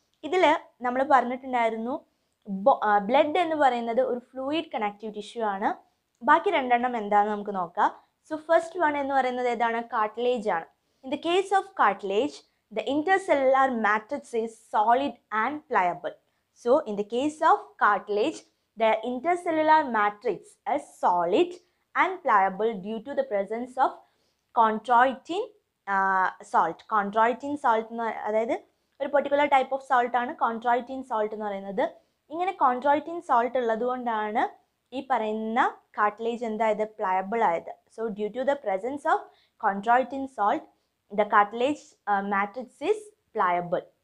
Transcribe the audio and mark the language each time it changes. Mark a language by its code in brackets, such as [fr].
[ml] ഇതിൽ നമ്മൾ പറഞ്ഞിട്ടുണ്ടായിരുന്നു ബ്ലഡ് എന്ന് പറയുന്നത് ഒരു ഫ്ലൂയിഡ് കണക്റ്റീവ് ടിഷ്യൂ ആണ്. ബാക്കി രണ്ടെണ്ണം എന്താണെന്ന് നമുക്ക് നോക്കാം. സോ ഫസ്റ്റ് വൺ എന്ന് പറയുന്നത് ഏതാണ്? കാർട്ടിലേജ് ആണ്. [en] In the case of cartilage the intercellular matrix is solid and pliable. So, in the case of cartilage, the intercellular matrix is solid and pliable due to the presence of chondroitin salt. [ml] Chondroitin salt, അതായത് ഒരു particular type of salt ആണ് chondroitin salt എന്ന് പറയുന്നത്. ഇങ്ങനെ chondroitin salt ഉള്ളതുകൊണ്ടാണ് ഈ പറയുന്ന cartilage എന്തായത് pliable ആയത്. [en] So due to the presence of chondroitin salt the cartilage matrix is pliable.